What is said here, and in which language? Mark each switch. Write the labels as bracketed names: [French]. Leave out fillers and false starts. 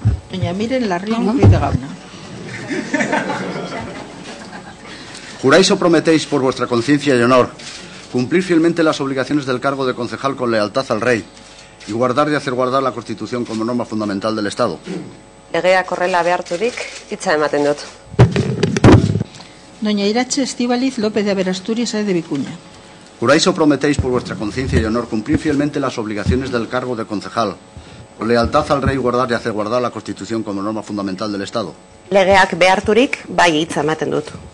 [Spanish] Doña Miren Larrión Ruiz de Gabna. ¿Juráis o prometéis por vuestra conciencia y honor cumplir fielmente las obligaciones del cargo de concejal con lealtad al rey y guardar y hacer guardar la Constitución como norma fundamental del Estado? [Basque] Legea correla beharturik, hitza ematen dut. [Spanish] Doña Irache Estíbaliz López de Averasturi, sede de Vicuña. ¿Juráis o prometéis por vuestra conciencia y honor cumplir fielmente las obligaciones del cargo de concejal con lealtad al rey, guardar y hacer guardar la Constitución como norma fundamental del Estado? [Basque] Legeak beharturik, bai hitza ematen dut.